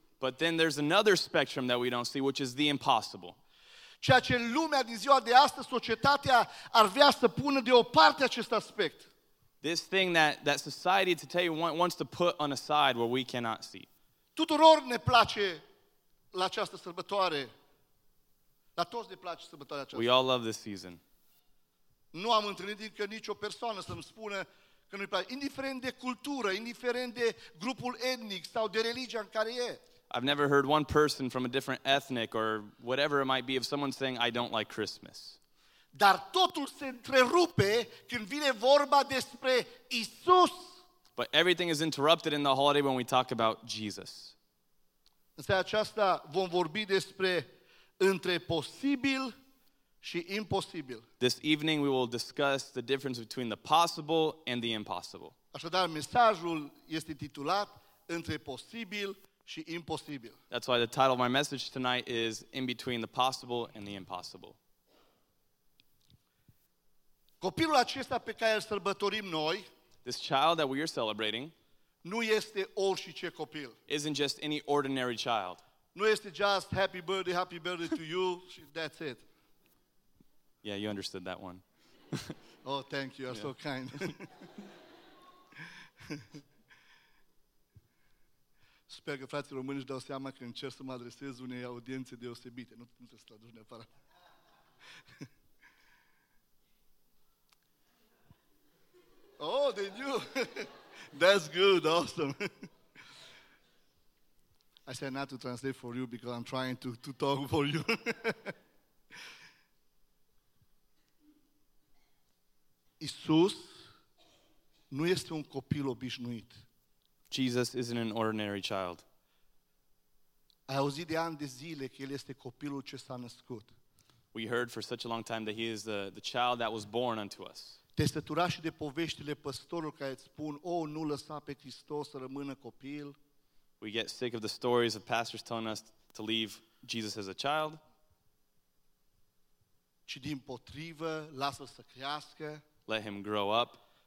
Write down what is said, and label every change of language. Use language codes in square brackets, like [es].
[en] But then there's another spectrum that we don't see, which is the impossible. [ro] Ceea ce lumea din ziua de astăzi, societatea, ar vrea să pună deoparte acest aspect. [en] This thing that society today wants to put on a side where we cannot see. [ro] Tuturor ne place la această sărbătoare. La toți ne place sărbătoarea aceasta. [en] We all love this season. [ro] Nu am întâlnit încă nicio persoană să-mi spună că nu-i place. Indiferent de cultură, indiferent de grupul etnic sau de religia în care e. [en] I've never heard one person from a different ethnic or whatever it might be of someone saying, I don't like Christmas. [ro] Dar totul se întrerupe când vine vorba despre Isus. [en] But everything is interrupted in the holiday when we talk about Jesus. [ro] În seara aceasta vom vorbi despre între posibil și imposibil. [en] This evening we will discuss the difference between the possible and the impossible. [ro] Așadar, mesajul este titulat între posibil și imposibil. [en] That's why the title of my message tonight is In Between the Possible and the Impossible. [ro] Copilul acesta pe care îl sărbătorim noi, [en] this child that we are celebrating, [ro] nu este orice copil. [en] Isn't just any ordinary child. [ro] Nu este [en] just happy birthday to you, that's it. Yeah, you understood that one. Oh, thank you, you're yeah. So kind. [ro] Sper că frații români își dau seama că încerc să mă adresez unei audiențe deosebite, nu trebuie să traduc neapărat. [en] Oh, they knew. That's good, awesome. I said not to translate for you because I'm trying to talk for you. [ro] Isus nu este un copil obișnuit. [en] Jesus isn't an ordinary child. [ro] Ai auzit de ani de zile că El este copilul ce s-a născut. [en] We heard for such a long time that He is the child that was born unto us. [ro] Te sătura și de poveștile păstorilor care îți spun, oh, nu lăsa pe Hristos să rămână copil. [en] We get sick of the stories of pastors telling us to leave Jesus as a child. [ro] Ci dimpotrivă, lasă-l să crească. [en] Let him grow up.